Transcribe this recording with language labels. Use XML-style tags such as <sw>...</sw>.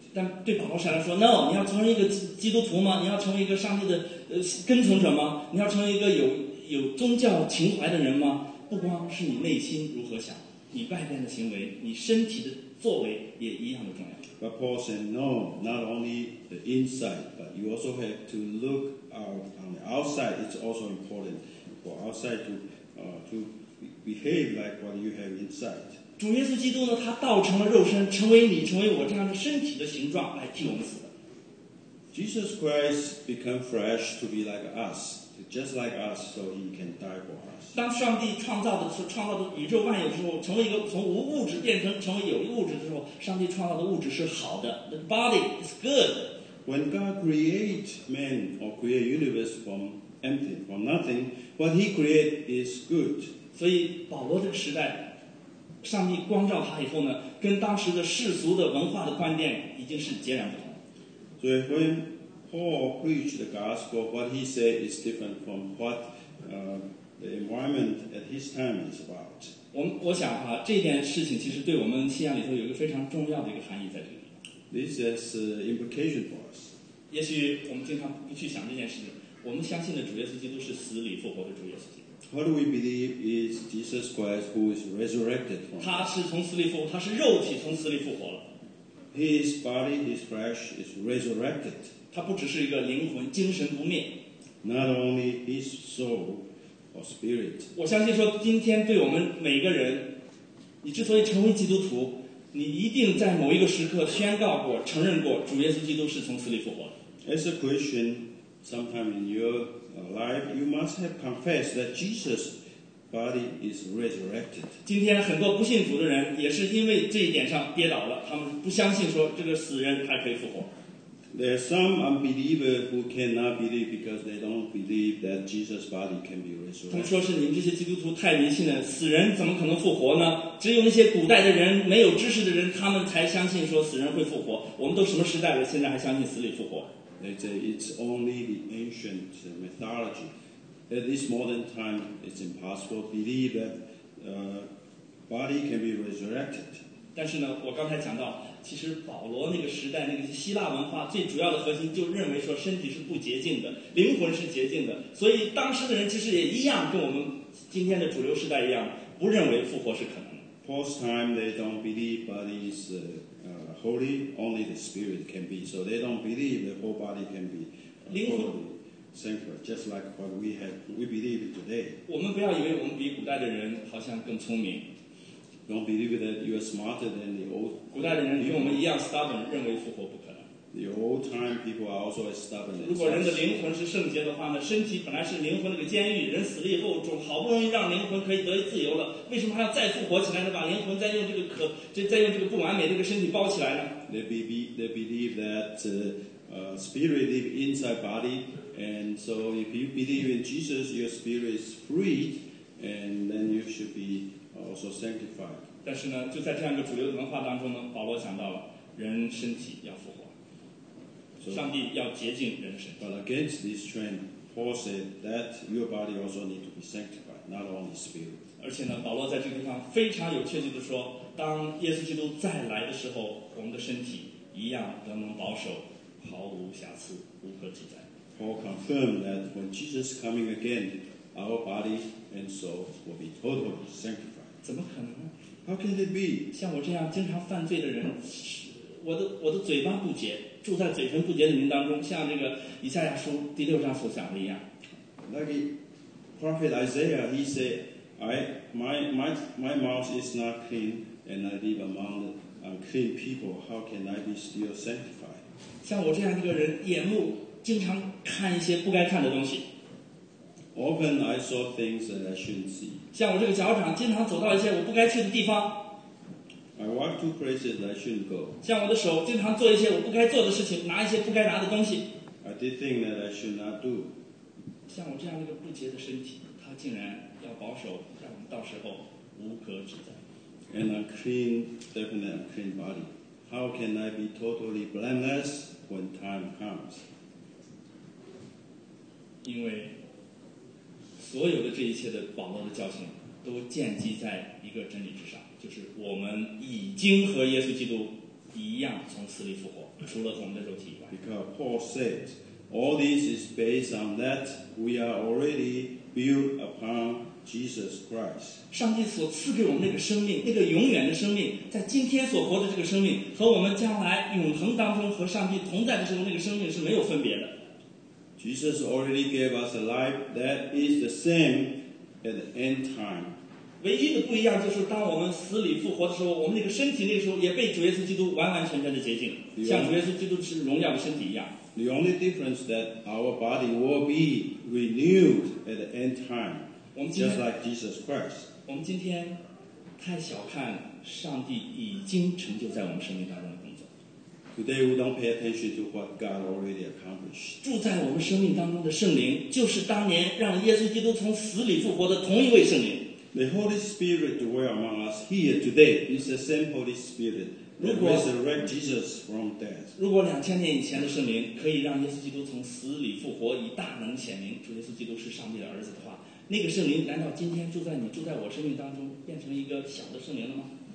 <zh>但对保罗来说 ，No， 你要成为一个基督徒吗？你要成为一个上帝的跟从者吗？你要成为一个有宗教情怀的人吗？不光是你内心如何想，你外边的行为，你身体的作为也一样的重要。</zh> <en>But Paul said, No, not only the inside, but you also have to look out on the outside. It's also important for outside to behave like what you have inside.</en> <zh>主耶稣基督呢，他道成了肉身，成为你，成为我这样的身体的形状来替我们死的。</zh> <en>Jesus Christ became flesh to be like us, just like us, so He can die for us.</en> <zh>当上帝创造的宇宙万有之后，成为一个从无物质变成为有物质的时候，上帝创造的物质是好的。</zh> <en>The body is good. When God created man or created universe from empty, from nothing, what He created is good.</en> <zh>所以保罗这个时代，上帝光照他以后呢，跟当时的世俗的文化的观念已经是截然不同。所以</zh> <en>when Paul preached the gospel, what he said is different from what the environment at his time is about.</en> <zh>我想啊，这件事情其实对我们信仰里头有一个非常重要的一个含义在这里。</zh> <en>This is implication for us.</en> <zh>也许我们经常不去想这件事情。我们相信的主耶稣基督是死里复活的主耶稣基督。</zh> <en>What we believe is Jesus Christ who is resurrected from.</en> <zh>他是从死里复活，他是肉体从死里复活了。</zh> <en>His body, his flesh is resurrected.</en> <zh>他不只是一个灵魂，精神不灭。</zh> <en>Not only his soul or spirit.</en> <zh>我相信说，今天对我们每个人，你之所以成为基督徒，你一定在某一个时刻宣告过、承认过主耶稣基督是从死里复活的。</zh> <en>As a Christian, sometime in your life, you must have confessed that Jesus. Body is resurrected.</en> <zh>今天很多不信主的人也是因为这一点上跌倒了，他们不相信说这个死人还可以复活。</zh> <en>There are some unbelievers who cannot believe because they don't believe that Jesus' body can be resurrected.</en> <zh>他们说是你们这些基督徒太迷信了，死人怎么可能复活呢？只有那些古代的人、没有知识的人，他们才相信说死人会复活。我们都什么时代了，现在还相信死里复活</zh> <en>？They say it's only the ancient mythology. At this modern time, it's impossible to believe that body can be resurrected.</en> <zh>但是呢，我刚才讲到，其实保罗那个时代那个希腊文化最主要的核心就认为说身体是不洁净的，灵魂是洁净的。所以当时的人其实也一样，跟我们今天的主流时代一样，不认为复活是可能的。</zh> <en>Paul's time, they don't believe body is holy. Only the spirit can be. So they don't believe the whole body can be holy. Sanctuary, just like what we have, we believe today.</en> <zh>我们不要以为我们比古代的人好像更聪明。</zh> <en>Don't believe that you are smarter than the old.</en> <zh>古代的人跟我们一样 stubborn， 认为复活不可能。</zh> <en>The old time people are also as stubborn.</en> <zh>如果人的灵魂是圣洁的话呢，身体本来是灵魂那个监狱，人死了以后，总好不容易让灵魂可以得以自由了，为什么还要再复活起来呢？把灵魂再用这个不完美这个身体包起来呢</zh> <en>？They believe that spirit live inside body. And so if you believe in Jesus, your spirit is free, and then you should be also sanctified.</en> <zh>但是呢，就在这样一个主流文化当中呢，保罗讲到了人身体要复活，</zh> <en>so,</en> <zh>上帝要洁净人的身体。</zh> <en>But against this trend, Paul said that your body also need to be sanctified, not only spirit.</en> <zh>而且呢，保罗在这个地方非常有确据地说，当耶稣基督再来的时候，我们的身体一样仍能保守，毫无瑕疵，无可指摘。</zh> <en>Paul confirmed that when Jesus is coming again, our body and soul will be totally sanctified.</en> <zh>怎么可能呢？</zh> <en>How can it be?</en> <zh>像我这样经常犯罪的人，我的嘴巴不洁，住在嘴唇不洁的民当中，像这个以赛亚书第六章所讲的一样。</zh> <en>Like prophet Isaiah, he said, my mouth is not clean, and I live among the unclean people. How can I be still sanctified?</en> <zh>像我这样一个人，眼目经常看一些不该看的东西。</zh> <en>Often I saw things that I shouldn't see.</en> <zh>像我这个脚掌经常走到一些我不该去的地方。</zh> <en>I walk to places I shouldn't go.</en> <zh>像我的手经常做一些我不该做的事情，拿一些不该拿的东西。</zh> <en>I did things that I should not do.</en> <zh>像我这样一个不洁的身体，他竟然要保守，让我们到时候无可指摘。</zh> <en>And a clean, definitely unclean body. How can I be totally blameless when time comes?</en> <zh>因为所有的这一切的保罗的教训都建基在一个真理之上，就是我们已经和耶稣基督一样从死里复活，除了我们的肉体以外。</zh> <en>Because Paul said all this is based on that we are already built upon Jesus Christ.</en> <zh>上帝所赐给我们那个生命，那个永远的生命，在今天所活的这个生命和我们将来永恒当中和上帝同在的时候那个生命是没有分别的。</zh> <en>Jesus already gave us a life that is the same at the end time.</en> <zh>唯一的不一样就是当我们死里复活的时候，我们那个身体那个时候也被主耶稣基督完完全全的洁净，像主耶稣基督是荣耀的身体一样。</zh> <en>The only difference that our body will be renewed at the end time, just like Jesus Christ.</en> <zh>我们今天太小看上帝已经成就在我们生命当中。</zh> <en>Today we don't pay attention to what God already accomplished.</en> <zh>住在我们生命当中的圣灵，就是当年让耶稣基督从死里复活的同一位圣灵。</zh> <en>The Holy Spirit dwells among us here today. It's the same Holy Spirit that resurrected Jesus from death.</en> <zh>如果两千年以前的圣灵可以让耶稣基督从死里复活，以大能显明主耶稣基督是上帝的儿子的话，那个圣灵难道今天住在你住在我生命当中，变成一个小的圣灵了吗？</zh>